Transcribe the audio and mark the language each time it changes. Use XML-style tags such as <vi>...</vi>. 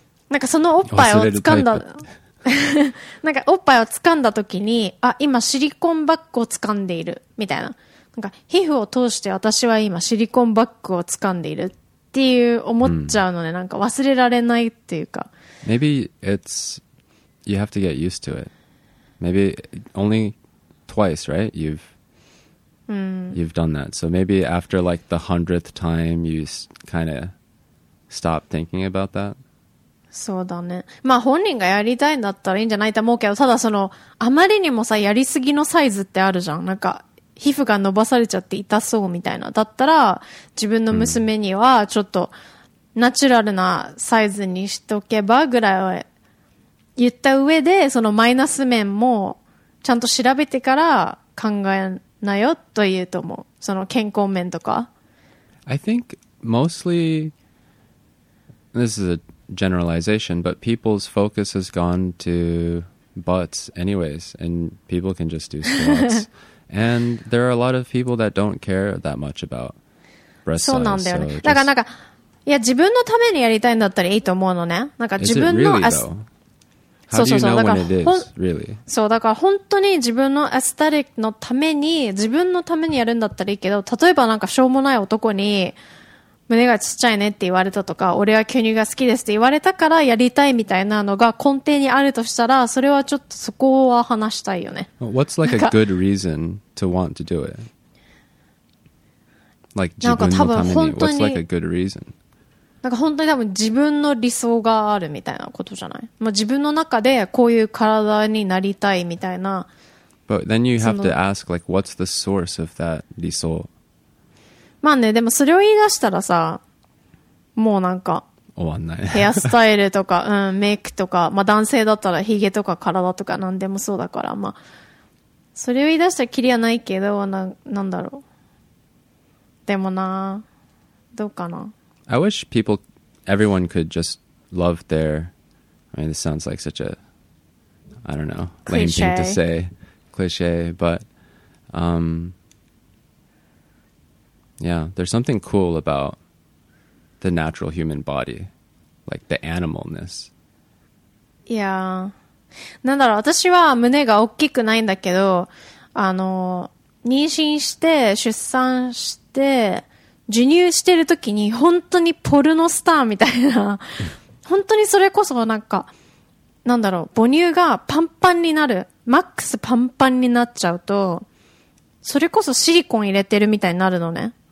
<ja>なんかそのおっぱいを掴んだなんかおっぱいを掴んだ時にあ今シリコンバッグを掴んでいるみたいななんか皮膚を通して私は今シリコンバッグを掴んでいるっていう思っちゃうので、なんか忘れられないっていうか。</ja> <en>Maybe it's you have to get used to it. Maybe only twice, right? You've done that. So maybe after like the 100th time, you kind of stop thinking about that.</en> <ja>そうだね。まあ本人がやりたいんだったらいいんじゃないと思うけど、ただそのあまりにもさやりすぎのサイズってあるじゃん。なんか皮膚が伸ばされちゃって痛そうみたいな。だったら自分の娘にはちょっとナチュラルなサイズにしとけばぐらいは言った上で、そのマイナス面もちゃんと調べてから考えなよと言うと思う。その健康面とか。</ja> <en>I think mostly this is a generalization, but people's focus has gone to butts anyways, and people can just do squats. And there are a lot of people that don't care that much about breast size.</en> <ja>そうなんだよね。だからなんか、いや、自分のためにやりたいんだったらいいと思うのね。なんか自分の、そうだから本当に自分のアスタティックのために、自分のためにやるんだったらいいけど、例えばなんかしょうもない男に、胸がちっちゃいねって言われたとか、俺は巨乳が好きですって言われたからやりたいみたいなのが根底にあるとしたら、それはちょっとそこは話したいよね。</ja> <en>What's like a good reason to want to do it? Like</en> <ja>自分のために。</ja> <en>What's like a good reason?</en> <ja>なんか本当に多分自分の理想があるみたいなことじゃない？まあ、自分の中でこういう体になりたいみたいな。</ja> <en>But then you have to ask like what's the source of that 理想？</en> <ja>まあね、でもそれを言い出したらさ、もうなんか終わんないヘアスタイルとか、うん、メイクとか、まあ男性だったらヒゲとか体とか何でもそうだから、まあそれを言い出したらキリはないけど、なんだろう、でもな、どうかな。</ja> <en>I wish people, everyone could just love their, I mean this sounds like such a, I don't know, lame thing to say, cliche, but Yeah, there's something cool about the natural human body, like the animalness. Yeah.</en> <ja>なんだろう、私は胸が大きくないんだけど、妊娠して、出産して、授乳してる時に本当にポルノスターみたいな、本当にそれこそなんか、なんだろう、母乳がパンパンになる、マックスパンパンになっちゃうと、それこそシリコン入れてるみたいになるのね。</ja>